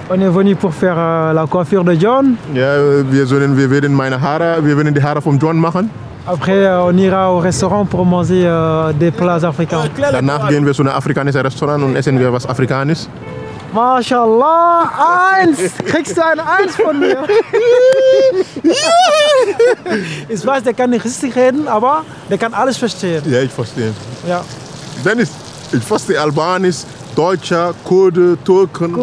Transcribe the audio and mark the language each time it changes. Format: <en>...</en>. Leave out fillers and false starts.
<de>Und ihr wollt</de> <fr>pour faire la coiffure de John?</fr> <de>Ja, wir werden die Haare von John machen.</de> <fr>Après, on ira au restaurant pour manger des plats africains.</fr> <de>Danach gehen wir zu einem afrikanischen Restaurant und essen wir was Afrikanisches. Mashallah, 1! Kriegst du ein 1 von mir? Ich weiß, der kann nicht richtig reden, aber der kann alles verstehen. Ja, ich verstehe. Ja. Dennis, ich verstehe Albanisch, Deutscher, Kurde, Türken.</de>